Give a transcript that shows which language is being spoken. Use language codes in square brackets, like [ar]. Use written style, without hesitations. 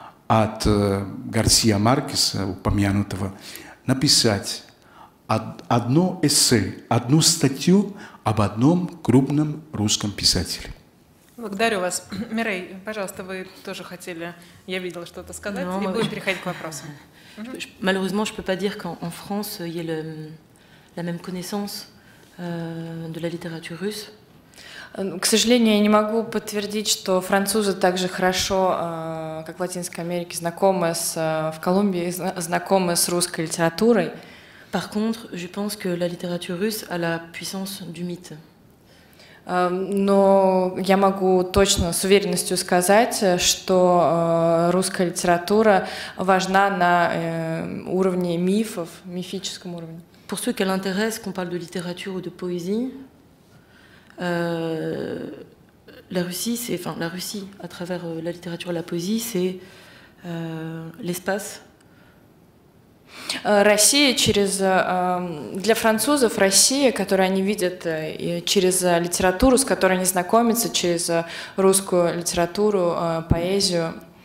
[ru] от Гарсия Маркеса, упомянутого, написать одно эссе, одну статью об одном крупном русском писателе. Благодарю вас. Мирей, пожалуйста, вы тоже хотели, я видела, что-то сказать, и будем переходить к вопросам. [fr] Malheureusement, je ne peux pas dire qu'en France, il y a la même connaissance de la littérature russe. [ru] К сожалению, я не могу подтвердить, что французы так же хорошо, как в Латинской Америке, знакомы с, в Колумбии, знакомы с русской литературой. [fr] Par contre, je pense que la littérature russe a la puissance du mythe. [ru] Но я могу точно с уверенностью сказать, что русская литература важна на уровне мифов, мифическом уровне. [fr] Pour ceux qui l'intéressent, qu'on parle de littérature ou de poésie, la Russie, c'est, enfin, la Russie, à travers la littérature et la poésie, c'est l'espace. [ru] Россия через для французов Россия, которую они видят через литературу, с которой они знакомятся, через русскую литературу, поэзию.